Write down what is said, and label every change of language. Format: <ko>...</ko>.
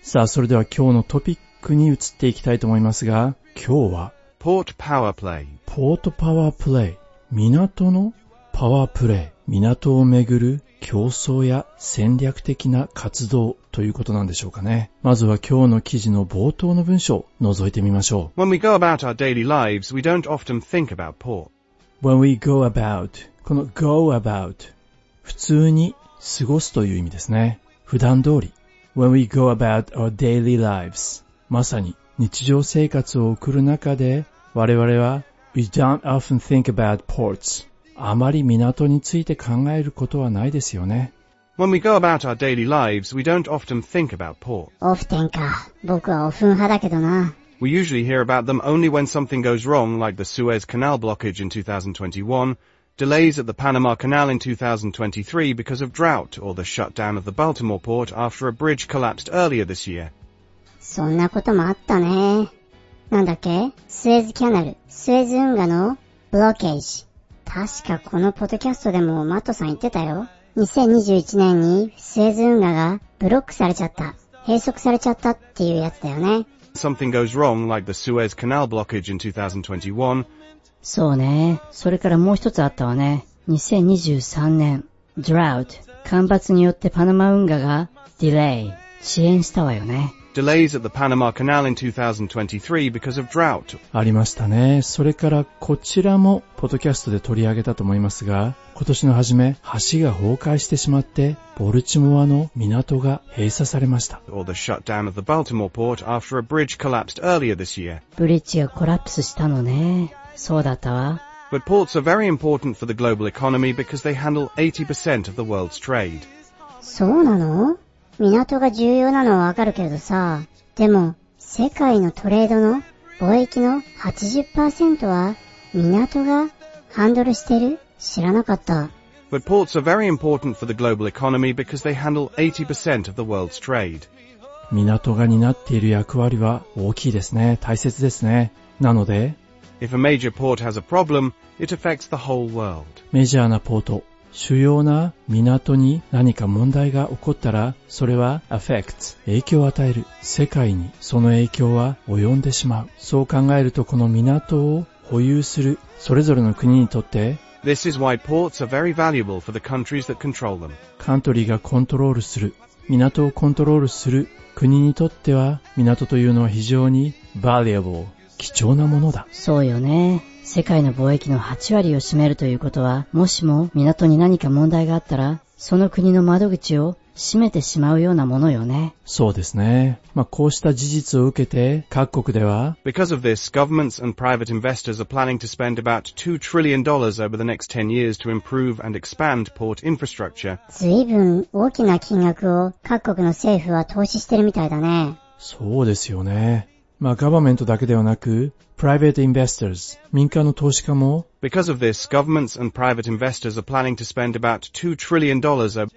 <ja>さあ、それでは今日のトピックに移っていきたいと思いますが、今日は、ポートパワープレイ。ポートパワープレイ。港のパワープレイ、港をめぐる競争や戦略的な活動ということなんでしょうかね。まずは今日の記事の冒頭の文章を覗いてみましょう。</ja> <en>When we go about our daily lives, we don't often think about port. When we go about,</en> <ja>この go about、普通に過ごすという意味ですね。普段通り。</ja> <en>When we go about our daily lives,</en> <ja>まさに日常生活を送る中で我々は</ja> <en>we don't often think about ports。</en> <ja>あまり港について考えることはないですよね。</ja> <en>When we go about our daily lives, we don't often think about ports.</en> <ja>Often か。僕はオフン派だけどな。</ja> <en>We usually hear about them only when something goes wrong, like the Suez Canal blockage in 2021, delays at the Panama Canal in 2023 because of drought, or the shutdown of the Baltimore port after a bridge collapsed earlier this year.</en> <ja>そんなこともあったね。なんだっけ？スエズキャナル。スエズ運河のブロッケージ。確かこのポッドキャストでもマットさん言ってたよ。 2021年にスエズ運河がブロックされちゃった。閉塞されちゃったっていうやつだよね。</ja> <en>Something goes wrong like the Suez Canal blockage in 2021.</en> <ja>そうね。それからもう一つあったわね。 2023年。Drought. 干ばつによってパナマ運河が Delay. 遅延したわよね。</ja> <en>Delays at the Panama Canal in 2023 because of drought.</en> <ja>ありましたね。それからこちらもポッドキャストで取り上げたと思いますが、今年の初め橋が崩壊してしまってボルチモアの港が閉鎖されました。</ja> <en>Or the shutdown of the Baltimore port after a bridge collapsed earlier this year.</en> <ja>ブリッジがコラプスしたのね。そうだったわ。</ja> <en>But ports are very important for the global economy because they handle 80% of the world's trade.</en> <ja>そうなの? 港が重要なのはわかるけどさ、でも世界のトレードの貿易の 80% は港がハンドルしてる? 知らなかった。</ja> <en>But ports are very important for the global economy because they handle 80% of the world's trade.</en> <ja>港が担っている役割は大きいですね。大切ですね。なので、</ja> <en>If a major port has a problem, it affects the whole world.</en> <ja>メジャーなポート、主要な港に何か問題が起こったら、それは affects、影響を与える。世界にその影響は及んでしまう。そう考えると、この港を保有する、それぞれの国にとって、</ja> <en>This is why ports are very valuable for the countries that control them.</en> <ja>カントリーがコントロールする、港をコントロールする国にとっては、港というのは非常に valuable、貴重なものだ。そうよね。世界の貿易の8割を占めるということは、もしも港に何か問題があったら、その国の窓口を閉めてしまうようなものよね。そうですね。まあ、こうした事実を受けて、各国では、</ja> <en>Because of this, governments and private investors are planning to spend about $2 trillion over the next 10 years to improve and expand port infrastructure.</en> <ja>随分大きな金額を各国の政府は投資してるみたいだね。そうですよね。まあ、ガバメントだけではなく、private investors、民間の投資家も、</ja> <en>Because of this, governments and private investors are planning to spend about $2 trillion of...</en>